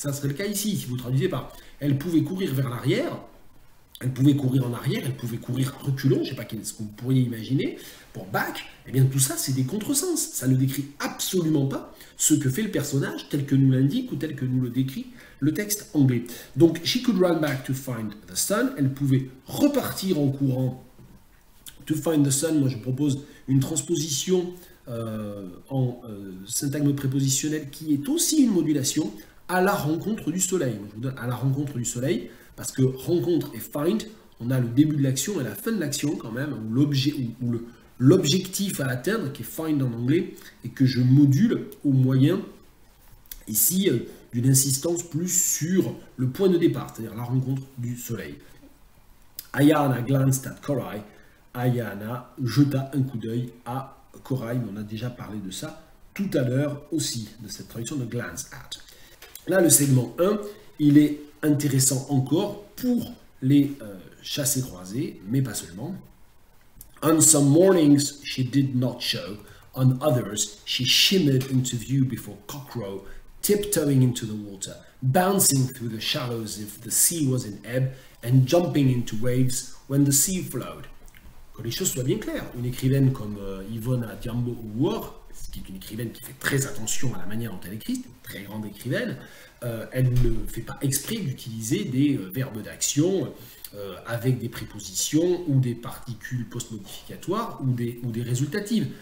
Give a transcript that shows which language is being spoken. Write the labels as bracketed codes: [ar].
[fr] Ça serait le cas ici, si vous traduisez par « elle pouvait courir vers l'arrière », elle pouvait courir en arrière, elle pouvait courir reculant, je ne sais pas ce que vous pourriez imaginer, pour back, eh bien tout ça, c'est des contresens. Ça ne décrit absolument pas ce que fait le personnage tel que nous l'indique ou tel que nous le décrit le texte anglais. [en] Donc, she could run back to find the sun. [fr] Elle pouvait repartir en courant. [en] To find the sun, [fr] moi je propose une transposition en syntagme prépositionnel qui est aussi une modulation à la rencontre du soleil. Moi, je vous donne à la rencontre du soleil. Parce que rencontre et find, on a le début de l'action et la fin de l'action quand même, ou l'objectif à atteindre, qui est find en anglais, et que je module au moyen, ici, d'une insistance plus sur le point de départ, c'est-à-dire la rencontre du soleil. [en] Ayana glanced at Karai. [fr] Ayana jeta un coup d'œil à corail, mais on a déjà parlé de ça tout à l'heure aussi, de cette traduction de glance at. Là, le segment 1, il est intéressant encore pour les chassés croisés, mais pas seulement. [en] On some mornings, she did not show. On others, she shimmered into view before cockcrow, tiptoeing into the water, bouncing through the shallows if the sea was in ebb, and jumping into waves when the sea flowed. [fr] Que les choses soient bien claires, une écrivaine comme Yvonne Adhiambo Uwor, qui est une écrivaine qui fait très attention à la manière dont elle écrit, une très grande écrivaine, elle ne fait pas exprès d'utiliser des verbes d'action avec des prépositions ou des particules post-modificatoires ou des résultatives.